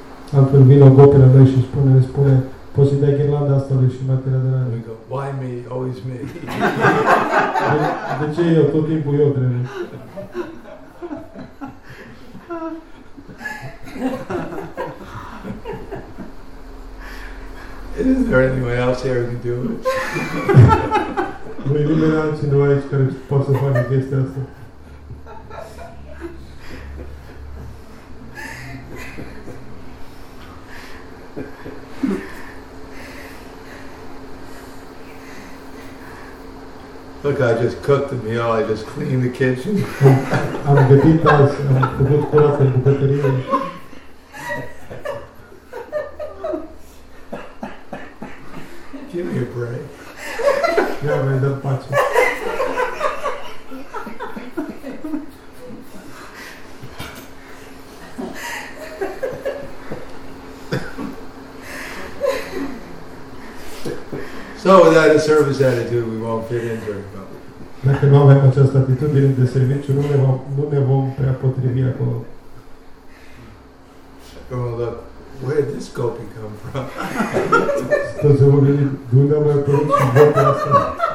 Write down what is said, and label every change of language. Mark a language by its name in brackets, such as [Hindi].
[Romanian] Altfel, vine o gopi la noi și spune, poți să-i dai ghirlanda asta lui Srimati Radharani? [English] We go, why me? Always me. [Romanian] De ce eu? Tot timpul eu trebuie. [English] Is there anyone else here who can do it? [Romanian] Nu e nimeni altcineva aici care poate să facă chestia asta. [English] Look, I just cooked the meal, I just cleaned the kitchen. [Romanian] Am gătit azi, am făcut curat în bucătărie. [English] Give me a break. [Romanian] Ia, mai dă-mi pace. [English] So without a service attitude, we won't fit in very well. [Romanian] Dacă nu avem această atitudine de serviciu, nu ne vom prea potrivi acolo. [English] Oh, look, where did this gopi come from? [Romanian] Toți se vor gândi, de unde am mai apărut și gopi asta?